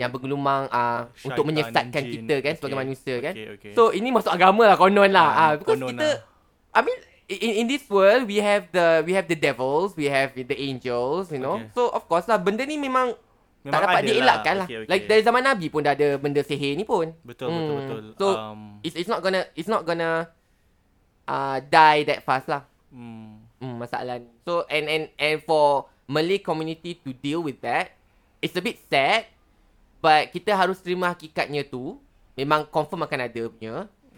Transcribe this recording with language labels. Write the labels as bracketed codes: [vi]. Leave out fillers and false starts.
[ms] Yang bergelumang untuk menyesatkan jin. Kita kan sebagai manusia kan. [en] Okay. [ms] So ini masuk agama lah, konon lah. Because kita, [en] I mean, in this world, we have the devils, we have the angels, you know. Okay. [ms] So of course lah, benda ni memang tak dapat dielakkan lah. [en] Okay, okay. [ms] Like dari zaman Nabi pun dah ada benda sihir ni pun. Betul. [en] So it's not gonna die that fast lah. [ms] Masalah ni. [en] So and for Malay community to deal with that, it's a bit sad, but [ms] kita harus terima hakikatnya tu. Memang confirm akan ada punya.